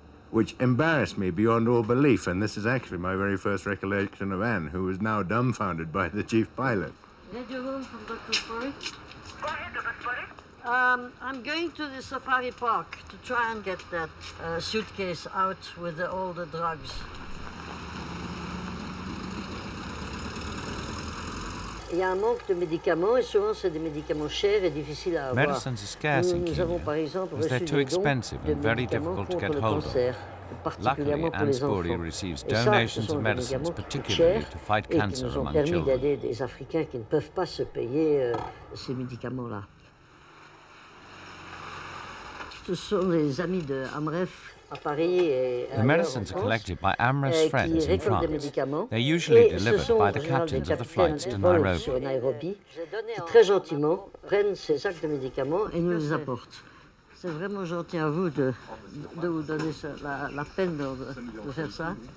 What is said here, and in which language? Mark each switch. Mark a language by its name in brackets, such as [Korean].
[English] Which embarrassed me beyond all belief, and this is actually my very first recollection of Anne, who was now dumbfounded by the chief pilot. Did you hear from Dr. Spoerry? Go ahead, Dr. Spoerry. I'm going to the safari park to try and get that suitcase out with all the drugs. [French] Il y a un manque de médicaments et souvent c'est des médicaments chers et difficiles à avoir. [English] Medicines are scarce in Kenya. [French] Nous avons par exemple reçu des dons de médicaments contre le cancer, particulièrement pour les enfants. Et ça, ce sont des médicaments très chers et qui nous ont permis d'aider des Africains qui ne peuvent pas se payer ces médicaments-là. Ce sont des amis de AMREF. [English] The medicines are collected by AMREF's friends in France. They're usually delivered by the captains of the flights to Nairobi. [French] Qui très gentiment prennent ces sacs de médicaments et nous les apportent. C'est vraiment gentil à vous de vous donner la peine de faire ça.